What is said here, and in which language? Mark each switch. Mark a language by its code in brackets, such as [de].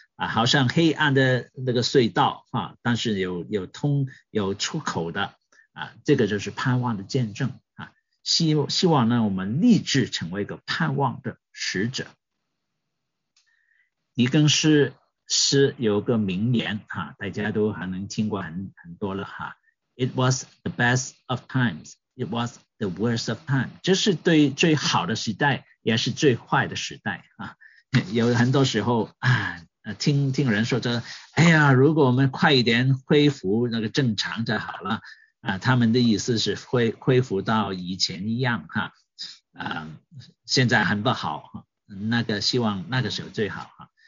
[zh] 啊，好像黑暗的那个隧道啊，但是有出口的啊，这个就是盼望的见证啊。希望呢，我们立志成为一个盼望的使者。狄更斯是有个名言啊，大家都还能听过很多了哈。 [en] It was the best of times, it was the worst of time. [zh] 这是对最好的时代，也是最坏的时代啊。有很多时候啊。听人说着，哎呀，如果我们快一点恢复那个正常就好了啊。他们的意思是恢复到以前一样哈，啊，现在很不好，那个希望那个时候最好哈。